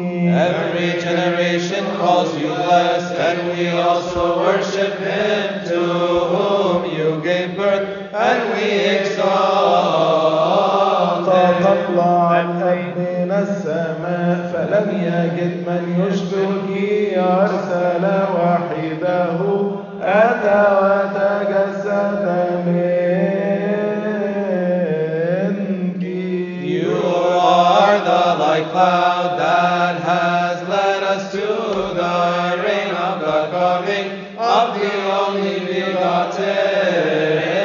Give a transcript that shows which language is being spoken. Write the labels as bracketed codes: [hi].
[en] Every generation calls you blessed, and we also worship Him to whom you gave birth, and we exalt Him. [ar] من السماء فلم يجد من يشبهك أرسل وحده أتى وتجسد منك. [en] You are the light cloud that has led us to the reign of the coming of the only begotten.